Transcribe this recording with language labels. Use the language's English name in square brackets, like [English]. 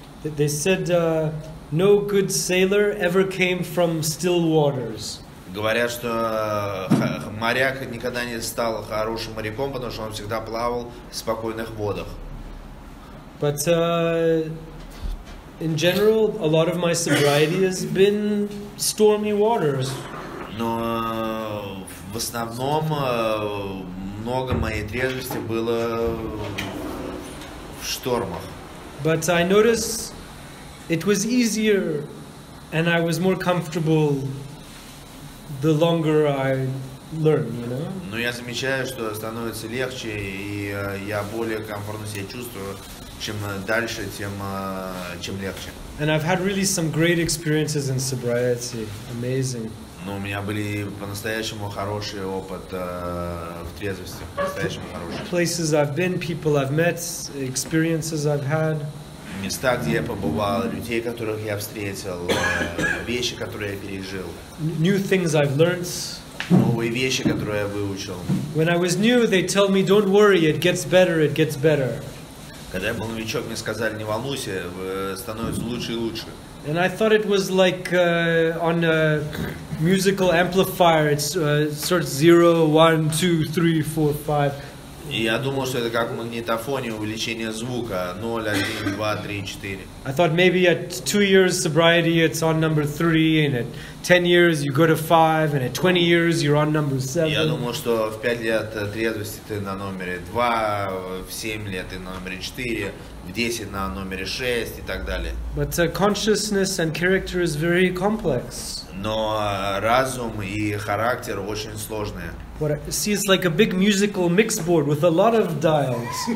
[English] They said no good sailor ever came from still waters. [Russian] Говорят, что моряк никогда не стал хорошим моряком, потому что он всегда плавал в спокойных водах. [English] But in general, a lot of my sobriety has been stormy waters. [Russian] Но в основном много моей трезвости было в штормах. [English] But I notice it was easier, and I was more comfortable the longer I learn, you know. [Russian] Но я замечаю, что становится легче, и я более комфортно себя чувствую, чем дальше, чем легче. [English] And I've had really some great experiences in sobriety. Amazing. [Russian] Но у меня были по-настоящему хорошие опыт в трезвости, по-настоящему хорошие. [English] Places I've been, people I've met, experiences I've had. [Russian] Места, где я побывал, людей, которых я встретил, вещи, которые я пережил. [English] New things I've learned. [Russian] Новые вещи, которые я выучил. [English] When I was new, they tell me, don't worry, it gets better, it gets better. [Russian] Когда я был новичок, мне сказали, не волнуйся, становится лучше и лучше. [English] And I thought it was like on a musical amplifier, it's sort of 0, 1, 2, 3, 4, 5. [Russian] И я думал, что это как в магнитофоне увеличение звука 0, 1, 2, 3, 4. [English] I thought maybe at 2 years sobriety it's on number 3, and at 10 years you go to 5, and at 20 years you're on number 7. [Russian] Я думал, что в 5 лет трезвости ты на номере 2, в 7 лет ты на номере 4, в 10 на номере 6 и так далее. [English] But consciousness and character is very complex. [Russian] Но разум и характер очень сложные. [English] What I see is like a big musical mix board with a lot of dials.